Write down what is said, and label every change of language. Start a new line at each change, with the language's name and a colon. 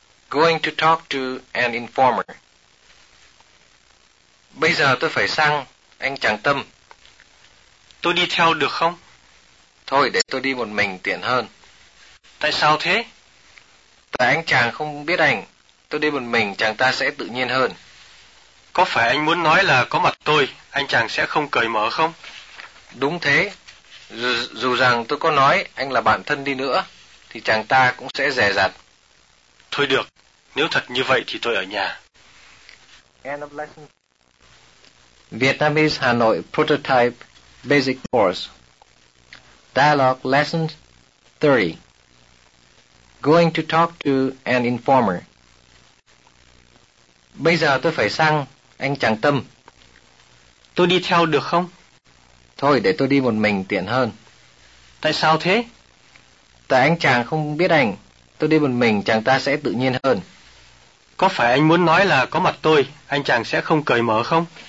English: Going to talk to an informer.
Vietnamese: Bây giờ tôi phải sang, anh chàng Tâm. Tôi đi theo được không? Thôi, để tôi đi một mình tiện hơn. Tại sao thế? Tại anh chàng không biết anh. Tôi đi một mình chàng ta sẽ tự nhiên hơn. Có phải anh muốn nói là có mặt tôi, anh chàng sẽ không cởi mở không? Đúng thế. Dù rằng tôi có nói anh là bạn thân đi nữa, thì chàng ta cũng sẽ dè dặt. Thôi được, nếu thật như vậy thì tôi ở nhà.
English: End of lesson. Vietnamese Hanoi Prototype Basic Course. Dialogue Lesson 30. Going to talk to an informer.
Vietnamese: Bây giờ tôi phải sang anh chàng Tâm. Tôi đi theo được không? Thôi để tôi đi một mình tiện hơn. Tại sao thế? Tại anh chàng không biết anh. Tôi đi một mình chàng ta sẽ tự nhiên hơn. Có phải anh muốn nói là có mặt tôi, anh chàng sẽ không cởi mở không?